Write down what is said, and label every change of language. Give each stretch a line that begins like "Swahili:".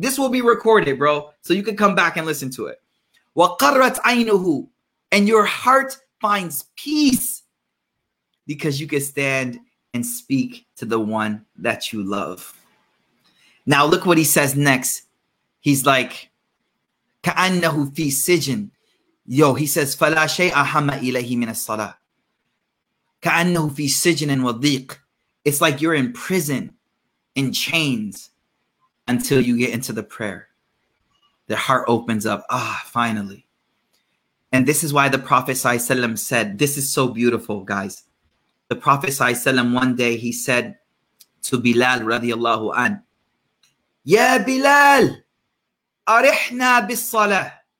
English: This will be recorded, bro, so you can come back and listen to it.
Arabic: وَقَرَّتْ عَيْنُهُ.
English: And your heart finds peace because you can stand and speak to the one that you love. Now look what he says next. He's like,
Arabic: كَأَنَّهُ فِي سِجْن.
English: Yo, he says,
Arabic: فَلَا شَيْءَ حَمَّ إِلَيْهِ مِنَ الصَّلَاةِ. كَأَنَّهُ فِي سِجْنٍ وَضِيقٍ.
English: It's like you're in prison, in chains, until you get into the prayer. Their heart opens up. Ah, finally. And this is why the Prophet ﷺ said, this is so beautiful, guys. The Prophet ﷺ, one day he said to Bilal radiallahu an,
Arabic: Ya Bilal, arihna bis salah.